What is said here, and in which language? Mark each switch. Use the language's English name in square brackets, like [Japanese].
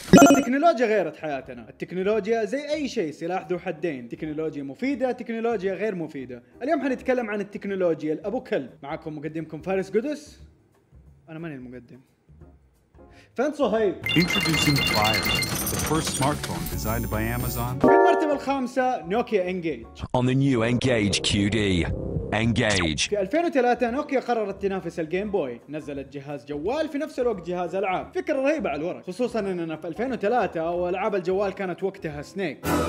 [Arabic] التكنولوجيا غيرت حياتنا، التكنولوجيا زي أي شيء سلاح ذو حدين، تكنولوجيا مفيدة، تكنولوجيا غير مفيدة. اليوم حنتكلم عن التكنولوجيا الأبو كلب. معكم مقدمكم فارس قدس، أنا ماني المقدم، فانت صهيب. [English] Introducing Fire, the first smartphone designed by Amazon. [Arabic] في المرتبة الخامسة نوكيا إنجيج. [English] On the new Engage QD. Engage. [Arabic] في 2003 نوكيا قررت تنافس الجيم بوي، نزلت جهاز جوال في نفس الوقت جهاز العاب. فكرة رهيبة على الورق، خصوصا اننا في 2003 والعاب الجوال كانت وقتها سنيك.